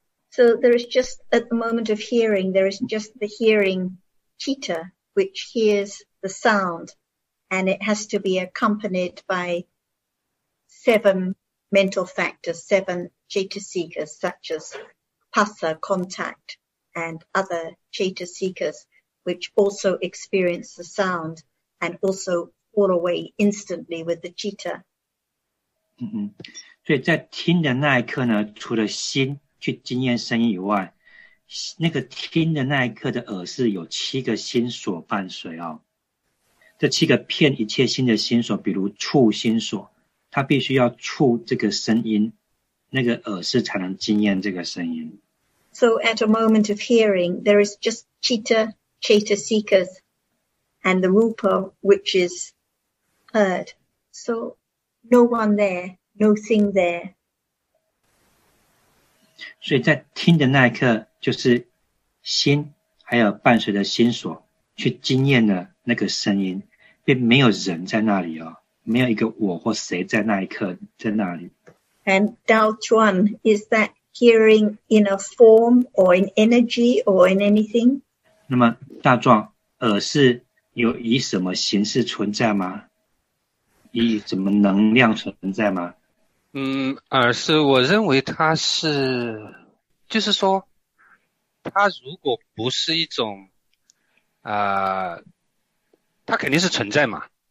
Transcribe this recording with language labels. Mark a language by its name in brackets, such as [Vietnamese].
[English] So there is just, at the moment of hearing, there is just the hearing citta, which hears the sound, and it has to be accompanied by seven mental factors, seven chetasikas, such as pasa, contact, and other chetasikas, which also experience the sound and also fall away instantly with the citta. [Chinese] 所以在听的那一刻呢，除了心去经验声音以外，那个听的那一刻的耳是有七个心所伴随哦。这七个片一切心的心所，比如触心所，他必须要触这个声音，那个耳识才能经验这个声音。 [English] So at a moment of hearing, there is just citta, chetasikas, and the rupa, which is heard. So no one there, no thing there. [Chinese] 所以在听的那一刻，就是心还有伴随的心所去经验了那个声音，并没有人在那里哦。没有一个我或谁在那一刻在那里。 [English] And doubt one, is that hearing in a form or in energy or in anything? [Chinese] 那么大壮，耳是有以什么形式存在吗？以什么能量存在吗？耳是我认为它是，就是说，它如果不是一种，它肯定是存在嘛。